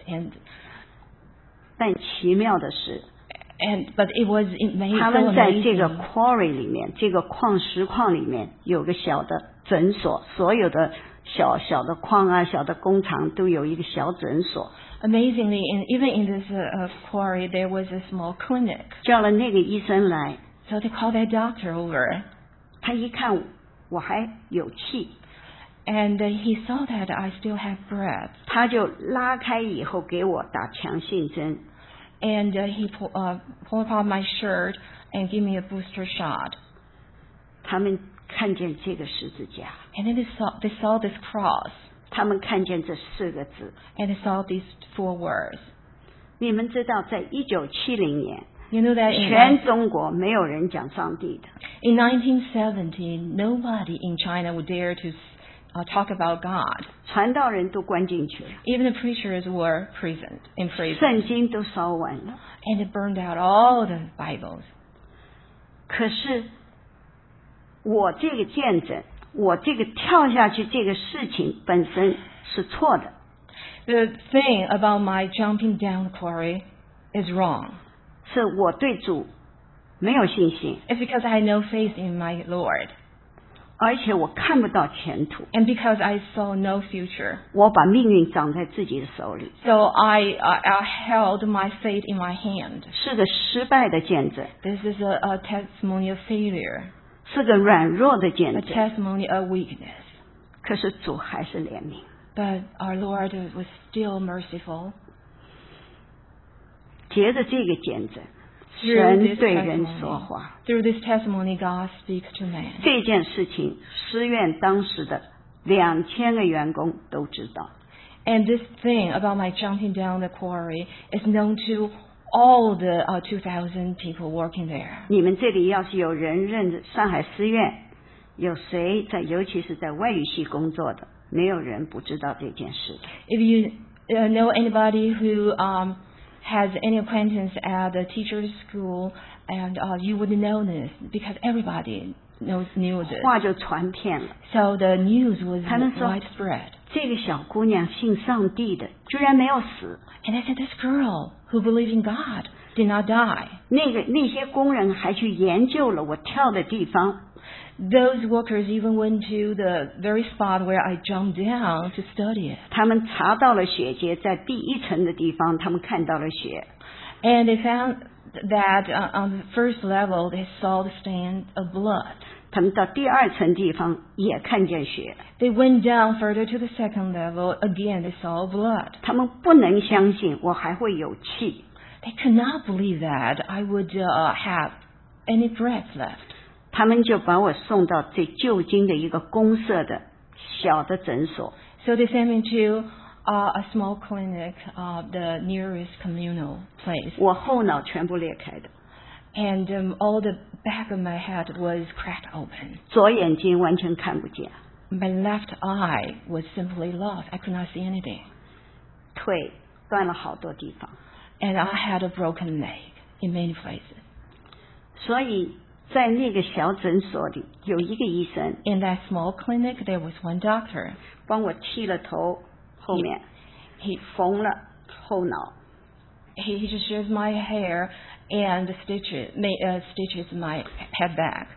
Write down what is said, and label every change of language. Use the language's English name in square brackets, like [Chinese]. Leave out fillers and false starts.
[English] And [Chinese] 但奇妙的是。 [English] And, but it was amazing. [Chinese] 他们在这个 quarry 里面，这个矿石矿里面有个小的诊所，所有的小的矿啊，小的工厂都有一个小诊所。 [English] Amazingly, even in this quarry, there was a small clinic. [Chinese] 叫了那个医生来。 [English] So they called that doctor over. [Chinese] 他一看我还有气。 [English] And he saw that I still had breath. [Chinese] 他就拉开以后给我打强心针。 [English] And he pulled off my shirt and gave me a booster shot. [Chinese] 他们看见这个十字架。 [English] And then they saw this cross. [Chinese] 他们看见这四个字。 [English] And they saw these four words. [Chinese] 你们知道，在1970年， [English] you know that [Chinese] 全中国没有人讲上帝的。 [English] In 1970, nobody in China would dare to talk about God. [Chinese] 传道人都关进去了。 [English] Even the preachers were imprisoned. [Chinese] 圣经都烧完了。 [English] And it burned out all the Bibles. [Chinese] 可是我这个见证，我这个跳下去这个事情本身是错的。 [English] The thing about my jumping down the quarry is wrong. [Chinese] 是我对主没有信心。 [English] It's because I had no faith in my Lord. [Chinese] 而且我看不到前途。 [English] And because I saw no future. [Chinese] 我把命运掌在自己的手里。 [English] So I held my fate in my hand. [Chinese] 是个失败的见证。 [English] This is a testimony of failure. [Chinese] 是个软弱的见证。 [English] A testimony of weakness. [Chinese] 可是主还是怜悯。 [English] But our Lord was still merciful. [Chinese] 接着这个见证。神对人说话。 [English] Through this testimony, God speaks to man. [Chinese] 这件事情，师院当时的2000个员工都知道。 [English] And this thing about my jumping down the quarry is known to all the 2,000 people working there. [Chinese] 你们这里要是有人认上海师院，有谁在，尤其是在外语系工作的，没有人不知道这件事的。 [English] If you know anybody who has any acquaintance at the teacher's school, and you would know this because everybody knew this. [Chinese] 话就传遍了。 [English] So the news was widespread. [Chinese] 这个小姑娘信上帝的，居然没有死。 [English] And I said, this girl who believed in God did not die. [Chinese] 那些工人还去研究了我跳的地方。 [English] Those workers even went to the very spot where I jumped down to study it. [Chinese] 他们查到了血迹，在第一层的地方，他们看到了血。 [English] And they found that on the first level, they saw the stain of blood. [Chinese] 他们到第二层地方也看见血。 [English] They went down further to the second level, again they saw blood. [Chinese] 他们不能相信我还会有气。 [English] They could not believe that I would have any breath left. [Chinese] 他们就把我送到最旧金的一个公社的小的诊所。 [English] So they sent me to a small clinic, the nearest communal place. [Chinese] 我后脑全部裂开的。 [English] And all the back of my head was cracked open. [Chinese] 左眼睛完全看不见。 [English] My left eye was simply lost. I could not see anything. [Chinese] 腿断了好多地方。 [English] And I had a broken leg in many places. [Chinese] 所以在那个小诊所里有一个医生。 [English] In that small clinic, there was one doctor. [Chinese] 帮我剃了头，后面。 [English] He [Chinese] 缝了后脑。 [English] He just shaved my hair and stitches my head back.